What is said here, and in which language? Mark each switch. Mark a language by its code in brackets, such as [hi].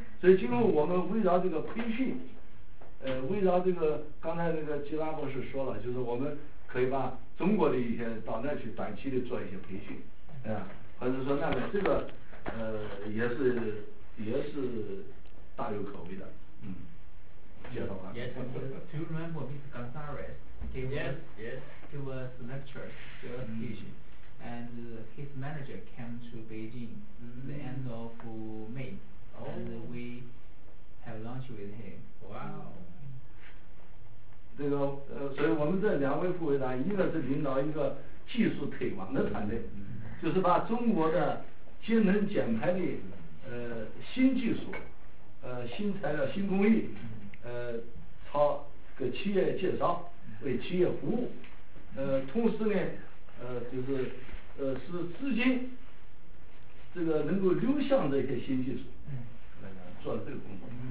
[zh] 所以今后我们围绕这个培训，围绕这个刚才那个吉拉博士说了，就是我们可以把中国的一些到那去短期的做一些培训，或者说那个这个也是大有可为的，介绍完。 [en] Yes, do you remember Mr. Gonzalez gave us lectures, gave us teaching, and his manager came to Beijing the end of May, and we have lunch with him. Wow. [zh] 这个所以我们这两位副会长，一个是领导一个技术推广的团队，就是把中国的节能减排的新技术、新材料、新工艺，朝给企业介绍，为企业服务，同时呢，就是使资金这个能够流向这些新技术，做了这个工作。